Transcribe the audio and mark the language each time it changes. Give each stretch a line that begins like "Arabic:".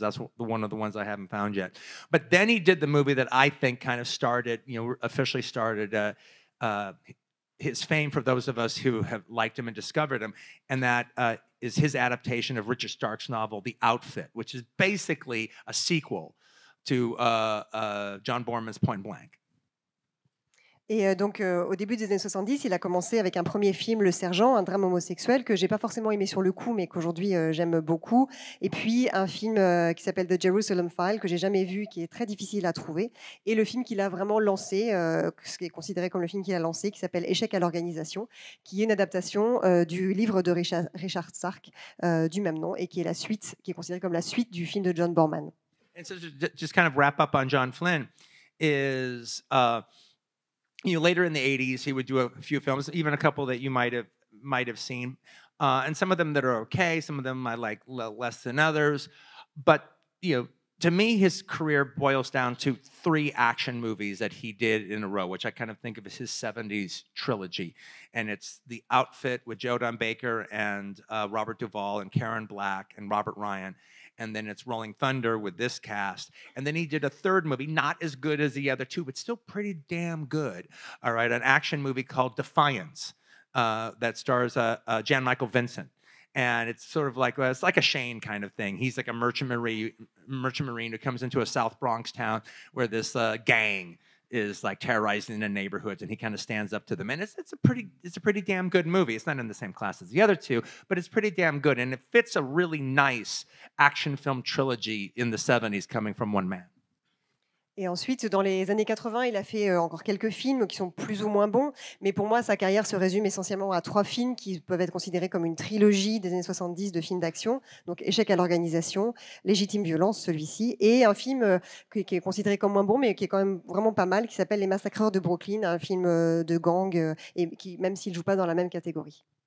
English: That's one of the ones I haven't found yet. But then he did the movie that I think kind of started, officially started his fame for those of us who have liked him and discovered him, and that is his adaptation of Richard Stark's novel, The Outfit, which is basically a sequel to John Borman's Point Blank.
French: Et donc, au début des années 70, il a commencé avec un premier film, Le Sergent, un drame homosexuel que je n'ai pas forcément aimé sur le coup, mais qu'aujourd'hui, j'aime beaucoup. Et puis, un film qui s'appelle The Jerusalem File, que je n'ai jamais vu, qui est très difficile à trouver. Et le film qu'il a vraiment lancé, ce qui est considéré comme le film qu'il a lancé, qui s'appelle Échec à l'organisation, qui est une adaptation du livre de Richard Sark, du même nom, et qui est la suite, qui est considérée comme la suite du film de John Borman.
English: And so just kind of wrap up on John Flynn is... You know, later in the 80s, he would do a few films, even a couple that you might have seen. And some of them that are okay, some of them I like less than others. But, you know, to me, his career boils down to three action movies that he did in a row, which I kind of think of as his 70s trilogy. And it's The Outfit with Joe Don Baker and Robert Duvall and Karen Black and Robert Ryan. And then it's Rolling Thunder with this cast. And then he did a third movie, not as good as the other two, but still pretty damn good. All right, an action movie called Defiance that stars Jan Michael Vincent. And it's sort of like, it's like a Shane kind of thing. He's like a merchant marine who comes into a South Bronx town where this gang is like terrorizing the neighborhoods, and he kind of stands up to them. And it's a pretty damn good movie. It's not in the same class as the other two, but it's pretty damn good. And it fits a really nice action film trilogy in the 70s coming from one man.
French: Et ensuite, dans les années 80, il a fait encore quelques films qui sont plus ou moins bons. Mais pour moi, sa carrière se résume essentiellement à trois films qui peuvent être considérés comme une trilogie des années 70 de films d'action. Donc, Échec à l'organisation, Légitime violence, celui-ci, et un film qui est considéré comme moins bon, mais qui est quand même vraiment pas mal, qui s'appelle Les Massacreurs de Brooklyn, un film de gang, et qui, même s'il ne joue pas dans la même catégorie.